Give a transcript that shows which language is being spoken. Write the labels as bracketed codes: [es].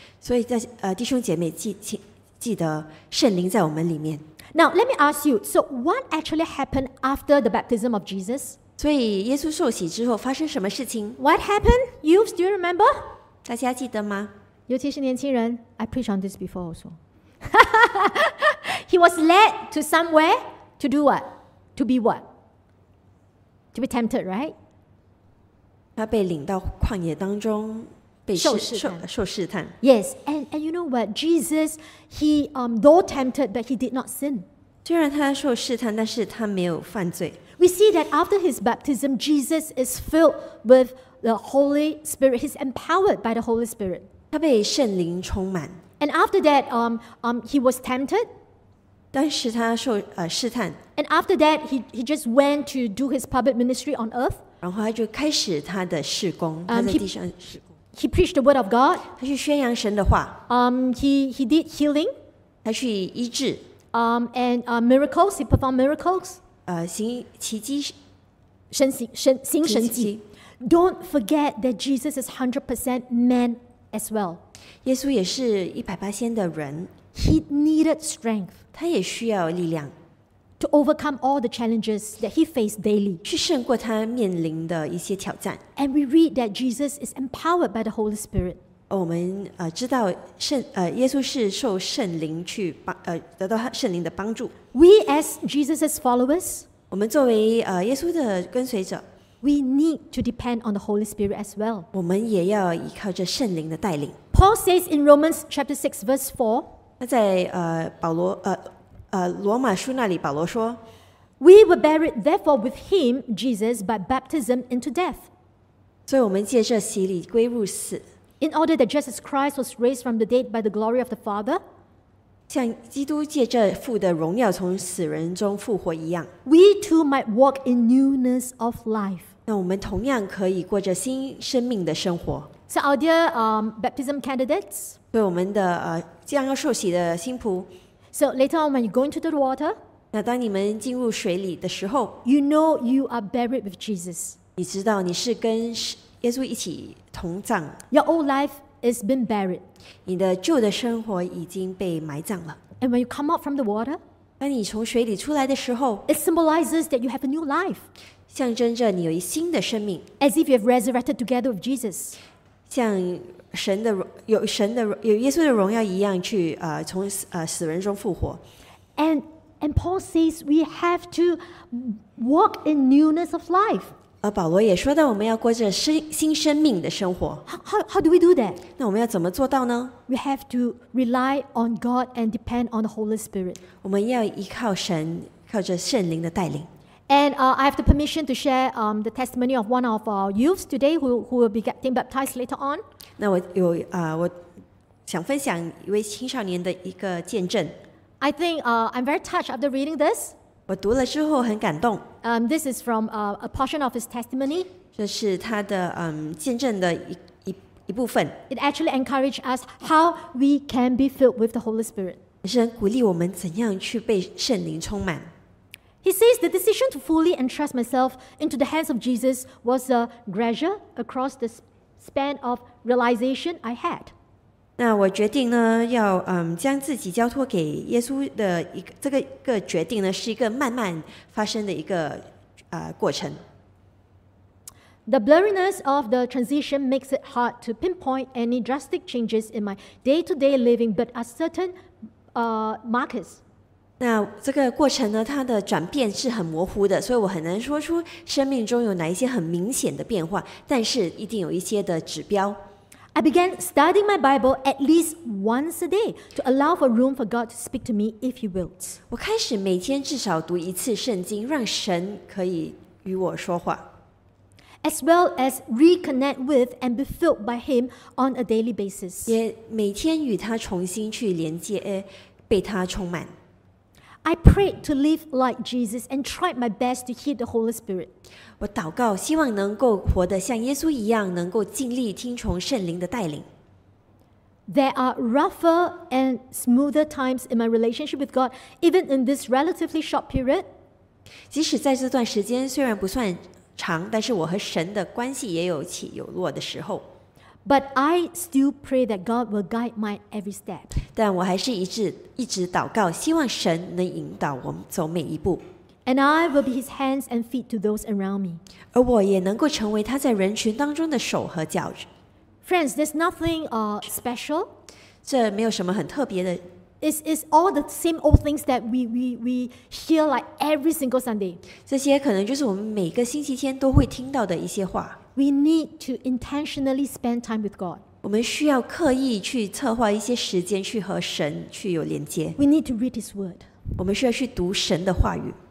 [zh] 所以在弟兄姐妹记得圣灵在我们里面 [en] now let me ask you so what actually happened after the baptism of Jesus? [zh] 所以耶稣受洗之后发生什么事情 [en] ？What happened? Youths, do you remember? [zh] 大家记得吗？尤其是年轻人 [en] ，I preach on this before also. He was led to somewhere to do what? To be what? to be tempted, right? [zh] 他被领到旷野当中被受试探。 [en] Yes, and you know what? Jesus, he though tempted, but he did not sin. [zh] 虽然他受试探，但是他没有犯罪。 [en] We see that after his baptism, Jesus is filled with the Holy Spirit. He's empowered by the Holy Spirit. [zh] 他被圣灵充满。 [en] And after that, he was tempted. [zh] 但是他受试探。 [en] And after that, he just went to do his public ministry on earth. [zh] 然后他就开始他的事工，他在地上事工。 [en] He preached the word of God. [zh] 他去宣扬神的话。 [en] He did healing. [zh] 他去医治。 [en] Miracles. He performed miracles. [zh] 行奇迹。行神迹。 [en] Don't forget that Jesus is 100% man as well. [zh] 耶稣也是100%的人。 [en] He needed strength. [zh] 他也需要力量。 [en] To overcome all the challenges that he faced daily. [zh] 去胜过他面临的一些挑战。 [en] And we read that Jesus is empowered by the Holy Spirit. [zh] 我们知道耶稣是受圣灵去得到圣灵的帮助。 [en] We as Jesus's followers, [zh] 我们作为耶稣的跟随者, [en] we need to depend on the Holy Spirit as well. [zh] 我们也要依靠着圣灵的带领。 [en] Paul says in Romans chapter 6 verse 4, [zh] 那在保罗罗马书那里保罗说 [en] We were buried therefore with him, Jesus, by baptism into death. [zh] 所以我们借着洗礼归入死。 [en] In order that Jesus Christ was raised from the dead by the glory of the Father, [zh] 像基督借着父的荣耀从死人中复活一样。 [en] We too might walk in newness of life. [zh] 那我们同样可以过着新生命的生活。 [en] So our dear baptism candidates, [zh] 所以我们的将要受洗的新仆。 [en] So later on, when you go into the water, [zh] 那当你们进入水里的时候 [en] you know you are buried with Jesus. [zh] 你知道你是跟耶稣一起同葬。 [en] Your old life has been buried. [zh] 你的旧的生活已经被埋葬了。 [en] And when you come out from the water, [zh] 当你从水里出来的时候 [en] it symbolizes that you have a new life. [zh] 象征着你有新的生命。 [en] As if you have resurrected together with Jesus. [zh] 像神的有神的有耶稣的荣耀一样去从死人中复活。 [en] And Paul says we have to walk in newness of life. [zh] 而保罗也说到我们要过着新生命的生活。 [en] How do we do that? [zh] 那我们要怎么做到呢？ [en] We have to rely on God and depend on the Holy Spirit. [zh] 我们要依靠神，靠着圣灵的带领。 [en] And I have the permission to share the testimony of one of our youths today who will be getting baptized later on. [zh] 那我有我想分享一位青少年的一个见证。 [en] I think I'm very touched after reading this. [zh] 我读了之后很感动。 [en] This is from a portion of his testimony. [zh] 这是他的见证的一部分。 [en] It actually encouraged us how we can be filled with the Holy Spirit. [zh] 也是鼓励我们怎样去被圣灵充满。 [en] He says the decision to fully entrust myself into the hands of Jesus was a gradual across the span of realization I had. [zh] 那我决定呢，要将自己交托给耶稣的一个决定呢，是一个慢慢发生的一个过程。 [en] The blurriness of the transition makes it hard to pinpoint any drastic changes in my day-to-day living, but a certain markers. [zh] 那这个过程呢，它的转变是很模糊的，所以我很难说出生命中有哪一些很明显的变化，但是一定有一些的指标。 [en] I began studying my Bible at least once a day to allow for room for God to speak to me if He wills. [zh] 我开始每天至少读一次圣经，让神可以与我说话。 [en] As well as reconnect with and be filled by Him on a daily basis. [zh] 也每天与他重新去连接，被他充满。 [en] I prayed to live like Jesus and tried my best to hear the Holy Spirit. [zh] 我祷告，希望能够活得像耶稣一样，能够尽力听从圣灵的带领。 [en] There are rougher and smoother times in my relationship with God, even in this relatively short period. [zh] 即使在这段时间虽然不算长，但是我和神的关系也有起有落的时候。 [en] But I still pray that God will guide my every step. [zh] 但我还是一直祷告，希望神能引导我们走每一步。 [en] And I will be His hands and feet to those around me. [zh] 而我也能够成为他在人群当中的手和脚。 [en] Friends, there's nothing special. [zh] 这没有什么很特别的。 [en] it's all the same old things that we hear like every single Sunday. [zh] 这些可能就是我们每个星期天都会听到的一些话。 [en] We need to intentionally spend time with God. [zh] 我们需要刻意去策划一些时间去和神去有连接。 [en] We need to read His word. [zh] 我们需要去读神的话语。